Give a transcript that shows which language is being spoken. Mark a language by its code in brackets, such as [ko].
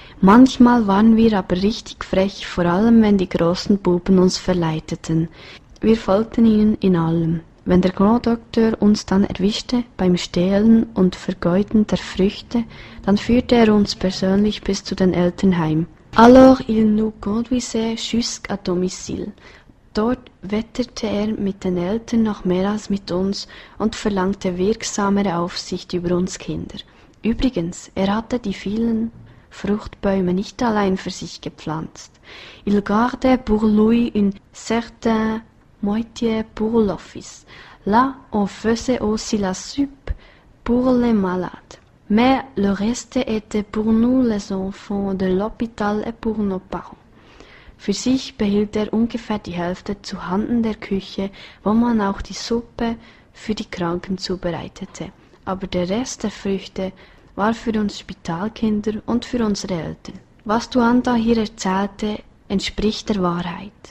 [de] Manchmal waren wir aber richtig frech, vor allem wenn die großen Buben uns verleiteten. Wir folgten ihnen in allem. Wenn der Großdoktor uns dann erwischte beim Stehlen und Vergeuden der Früchte, dann führte er uns persönlich bis zu den Eltern heim. [fr] Alors il nous conduisait jusqu'à domicile. [de] Dort wetterte er mit den Eltern noch mehr als mit uns und verlangte wirksamere Aufsicht über uns Kinder. Übrigens, er hatte die vielen Fruchtbäume nicht allein für sich gepflanzt. [fr] Il gardait pour lui une certaine moitié pour l'office. Là, on faisait aussi la soupe pour les malades. Mais le reste était pour nous les enfants de l'hôpital et pour nos parents. [de] Für sich behielt er ungefähr die Hälfte zu Handen der Küche, wo man auch die Suppe für die Kranken zubereitete. Aber der Rest der Früchte war für uns Spitalkinder und für unsere Eltern. Was Duanda hier erzählte, entspricht der Wahrheit.